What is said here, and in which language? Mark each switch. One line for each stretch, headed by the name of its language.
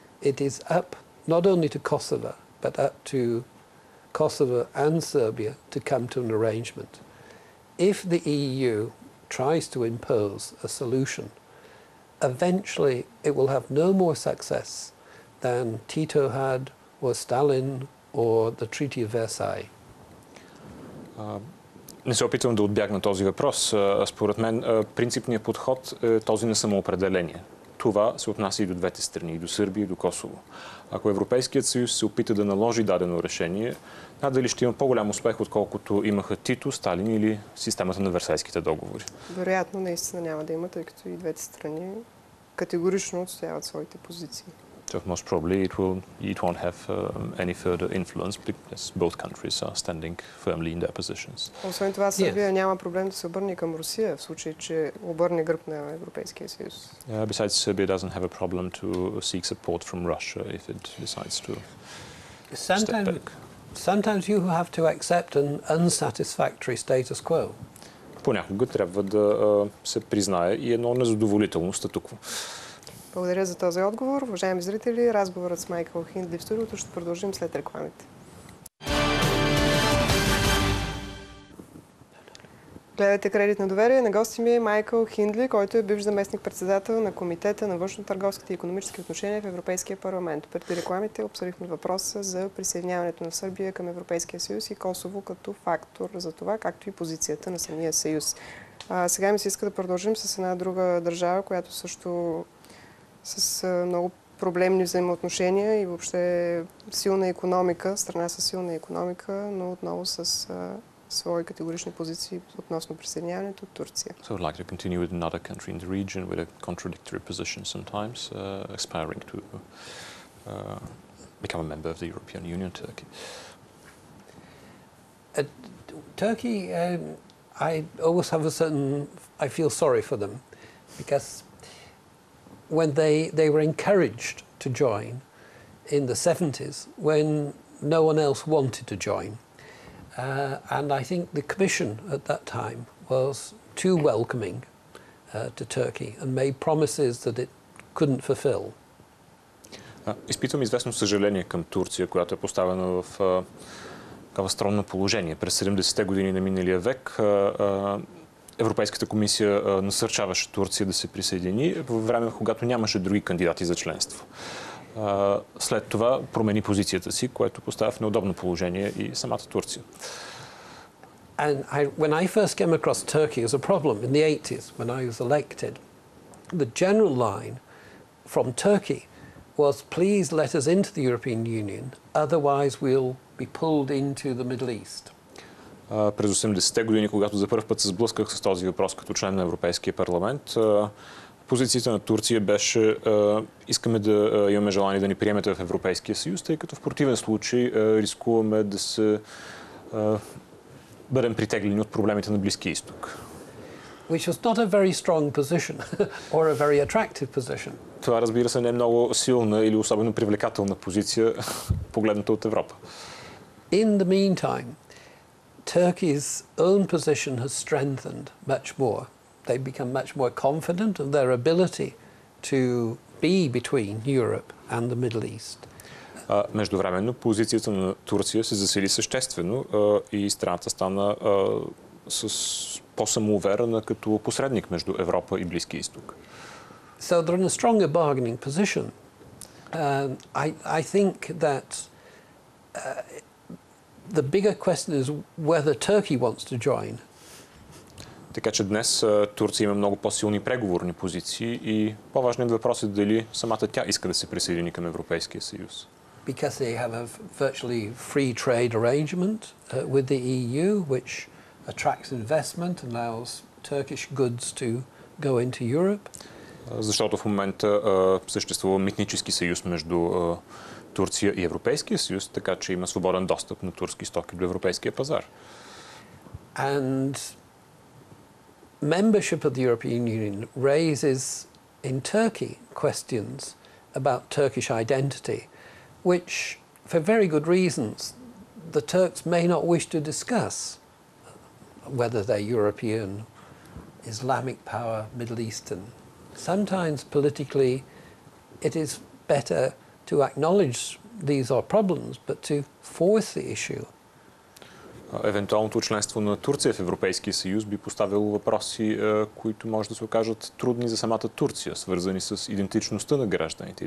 English: It is up not only to Kosovo, but up to Kosovo and Serbia to come to an arrangement. If the EU tries to impose a solution, eventually it will have no more success than Tito had, or Stalin, or the Treaty of Versailles.
Bulgarian: Не се опитвам да отбягна този въпрос. Според мен принципният подход е този на самоопределение. Това се отнася и до двете страни, и до Сърбия, и до Косово. Ако Европейският съюз се опита да наложи дадено решение, надали ще има по-голям успех, отколкото имаха Тито, Сталин или системата на Версайските договори. Вероятно, наистина няма да има, тъй като и двете страни категорично отстояват своите позиции.
English: So most probably it won't have any further influence because both countries are standing firmly in their positions.
Bulgarian: Освен това, Сърбия няма проблем да се обърне към Русия в случай, че обърне гръб на Европейския съюз.
English: Besides, Serbia doesn't have a problem to seek support from Russia if it decides to step back. Sometimes you have to accept an unsatisfactory status quo.
Bulgarian: Понякога трябва да се признае и едно незадоволително статукво. Благодаря за този отговор. Уважаеми зрители, разговорът с Майкъл Хиндли в студиото ще продължим след рекламите. Гледате Кредит на доверие. На гости ми е Майкъл Хиндли, който е бивш заместник-председател на Комитета на външно-търговските и икономически отношения в Европейския парламент. Преди рекламите обсъдихме въпроса за присъединяването на Сърбия към Европейския съюз и Косово като фактор за това, както и позицията на самия съюз. Сега ми се иска да продължим с една друга държава, която също с много проблемни взаимоотношения и въобще силна икономика, страна с силна икономика, но отново с свои категорични позиции относно присъединяването от Турция.
English: So I'd like to continue with another country in the region with a contradictory position sometimes, aspiring to become a member of the European Union, Turkey. Turkey, I always have a certain, I feel sorry for them, because when they were encouraged to join in the 70s, when no one else wanted to join. And I think the Commission at that time was too welcoming to Turkey and made promises that it couldn't fulfill.
Bulgarian: Изпитвам известно съжаление към Турция, която е поставена в такова странно положение. През 70-те години на миналия век Европейската комисия насърчаваше Турция да се присъедини във време, когато нямаше други кандидати за членство. след това промени позицията си, което поставя в неудобно положение и самата Турция.
English: And when I first came across Turkey as a problem in the 80s, when I was elected, the general line from Turkey was, please let us into the European Union, otherwise we'll be pulled into the Middle East.
Bulgarian: През 80-те години, когато за първ път се сблъсках с този въпрос като член на Европейския парламент, позицията на Турция беше, искаме да имаме желание да ни приемете в Европейския съюз, тъй като в противен случай рискуваме да се бъдем притеглени от проблемите на Близкия изток.
English: Which was not a very strong position or a very attractive position.
Bulgarian: Това, разбира се, не е много силна или особено привлекателна позиция, погледната от Европа.
English: In the meantime, Turkey's own position has strengthened much more. They become much more confident of their ability to be between Europe and the Middle East.
Bulgarian: Междувременно позицията на Турция се засили съществено и страната стана с по-самоуверена като посредник между Европа и Близкия изток.
English: So they're in a stronger bargaining position. I think that the bigger question is whether Turkey wants to join.
Bulgarian: Така че днес Турция има много по-силни преговорни позиции и по-важният въпрос е дали самата тя иска да се присъедини към Европейския съюз.
English: Because they have a virtually free trade arrangement with the EU, which attracts investment and allows Turkish goods to go into Europe.
Bulgarian: Защото в момента съществува митнически съюз между Турция и Европейския съюз, така че има свободен достъп на турски стоки до европейския пазар.
English: And membership of the European Union raises in Turkey questions about Turkish identity, which for very good reasons the Turks may not wish to discuss, whether they're European, Islamic power, Middle Eastern. Sometimes politically it is better to acknowledge these are problems, but to force the issue.
Bulgarian: Евентуалното членство на Турция в Европейския съюз би поставило въпроси, които може да се окажат трудни за самата Турция, свързани с идентичността на гражданите.